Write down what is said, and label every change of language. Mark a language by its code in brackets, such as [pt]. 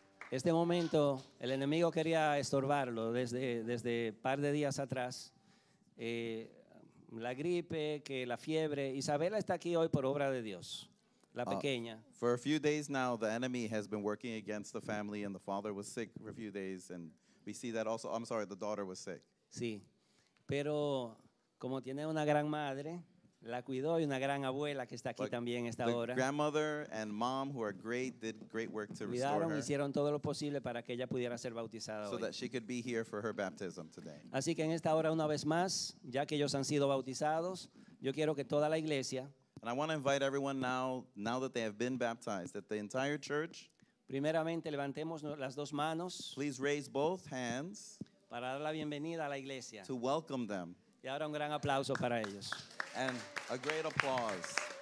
[es] Este momento, el enemigo quería estorbarlo desde par de días atrás. La gripe, que la fiebre. Isabela está aquí hoy por obra de Dios, la pequeña. [en] For a few days now, the enemy has been working against the family, and the father was sick for a few days, and we see that also. I'm sorry, the daughter was sick. [es] Sí, pero como tiene una gran madre, la cuidó, y una gran abuela que está aquí también esta hora. [en] The grandmother and mom, who are great, did great work to restore her. [es] Cuidaron, hicieron todo lo posible para que ella pudiera ser bautizada hoy. [en] So that she could be here for her baptism today. [es] Así que en esta hora, una vez más, ya que ellos han sido bautizados, yo quiero que toda la iglesia. [en] And I want to invite everyone now that they have been baptized, that the entire church. [es] Primeramente, levantemos las dos manos. [en] Please raise both hands. [es] Para dar la bienvenida a la iglesia. [en] To welcome them. [es] Y ahora un gran aplauso para ellos. [en] And a great applause.